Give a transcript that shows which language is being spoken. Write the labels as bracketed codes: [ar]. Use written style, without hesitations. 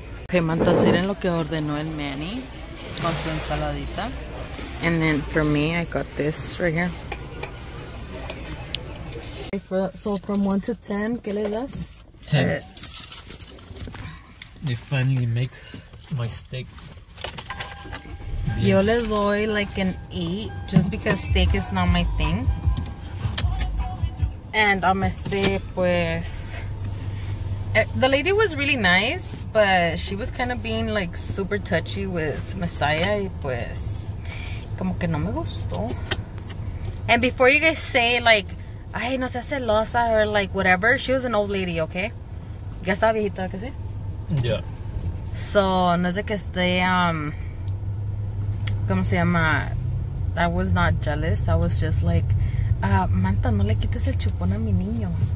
[es] Ok, mantas, miren lo que ordenó el Manny con su ensaladita. [en] And then for me, I got this right here. Okay, so from 1 to 10, [es] ¿qué le das? [en] 10. They finally make my steak. [es] Yo le doy [en] like an 8 just because steak is not my thing. And pues the lady was really nice, but she was kind of being like super touchy with Messiah [es] y pues como que no me gustó. [en] And before you guys say like [es] ay no seas celosa [en] or like whatever, she was an old lady, okay? [es] Ya está viejita, ¿qué sé? [en] Yeah. [es] So no sé que esté ¿cómo se llama? [en] I was not jealous. I was just like, Manta, [es] no le quites el chupón a mi niño.